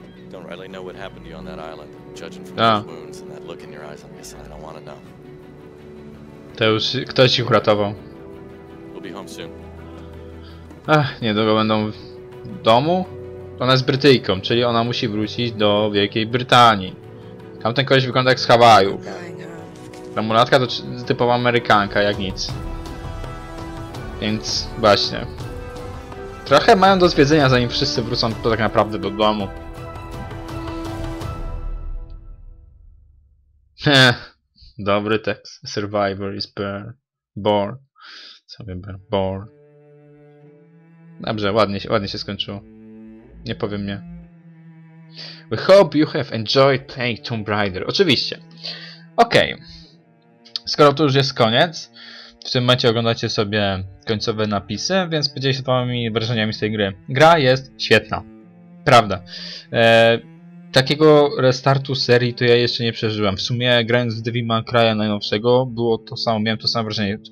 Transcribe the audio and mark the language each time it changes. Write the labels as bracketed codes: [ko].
[en] Don't really know what happened to you on that island. Judging from those wounds and that look in your eyes, I'm guessing I don't want to know. [pl] To już ktoś ich uratował. [en] We'll be home soon. [pl] Ach, niedługo będą w domu? Ona jest Brytyjką, czyli ona musi wrócić do Wielkiej Brytanii. Tamten koleś wygląda jak z Hawajów. Ta mulatka to typowa Amerykanka, jak nic. Więc właśnie. Trochę mają do zwiedzenia, zanim wszyscy wrócą to tak naprawdę do domu. Dobry tekst. [en] Survivor is burn. [pl] Born. Co wiem, born. Dobrze, ładnie się skończyło. Nie powiem nie. [en] We hope you have enjoyed playing Tomb Raider. [pl] Oczywiście. Okej. Okay. Skoro to już jest koniec, w tym momencie oglądacie sobie końcowe napisy, więc podzielcie się moimi wrażeniami z tej gry. Gra jest świetna. Prawda. Takiego restartu serii to ja jeszcze nie przeżyłem. W sumie grając w Devil May Cry najnowszego było to samo, miałem to samo wrażenie.